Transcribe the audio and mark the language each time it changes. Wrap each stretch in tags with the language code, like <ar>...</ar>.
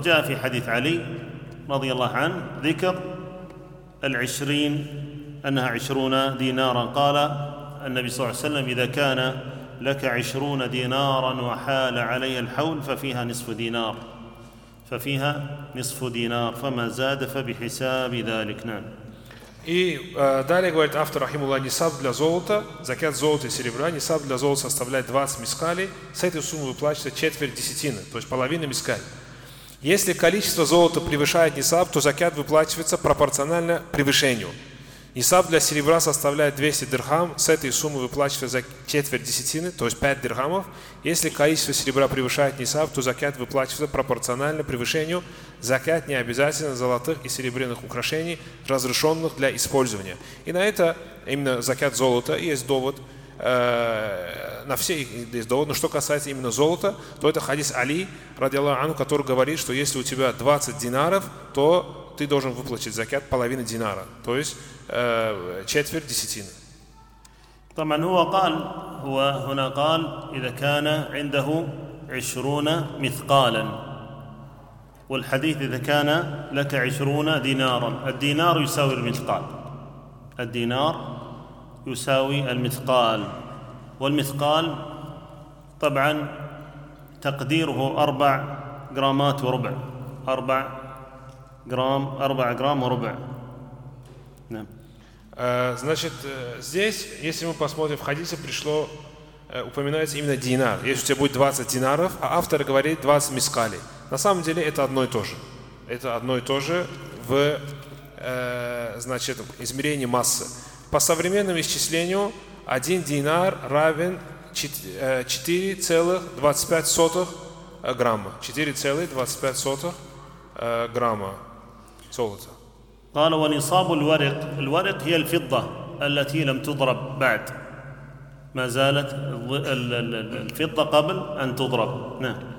<ar>جاء في حديث علي رضي الله عنه ذكر العشرين، أنها 20 دينارا. قال النبي صلى الله عليه وسلم: إذا كان لك 20 دينارا وحال علي الحول ففيها نصف دينار، ففيها نصف دينار، فما زاد فبحساب ذلك. نعم.</ar> <ru>И далее говорит автор рахимуллах: нисаб для золота, закят золота и серебра, нисаб для золота составляет 20 мискалей, с этой суммы выплачивается четверть десятины, то есть половина мискали. Если количество золота превышает нисаб, то закят выплачивается пропорционально превышению. Нисаб для серебра составляет 200 дирхам, с этой суммы выплачивается четверть десятины, то есть 5 дирхамов. Если количество серебра превышает нисаб, то закят выплачивается пропорционально превышению. Закят не обязательно золотых и серебряных украшений, разрешенных для использования. И на это именно закят золота есть довод, на все есть довод. Но что касается именно золота, то это хадис Али, радиаллаху анху, который говорит, что если у тебя 20 динаров, то ты должен выплатить закят половину динара, то есть</ru> <ar>طبعا هو قال، هو هنا قال إذا كان عنده 20 مثقالا، والحديث إذا كان لك 20 دينارا. الدينار يساوي المثقال، الدينار يساوي المثقال، والمثقال طبعا تقديره 4 جرامات وربع، 4 جرام وربع. نعم.</ar> <ru>Значит, здесь, если мы посмотрим в хадисе, пришло, упоминается именно динар. Если у тебя будет 20 динаров, а автор говорит 20 мискалей. На самом деле это одно и то же. Это одно и то же в значит, измерении массы. По современному исчислению, 1 динар равен 4,25 грамма. 4,25 грамма золота.</ru> <ar>قال: ونصاب الورق، الورق هي الفضة التي لم تضرب بعد، ما زالت الفضة قبل أن تضرب. نعم.</ar>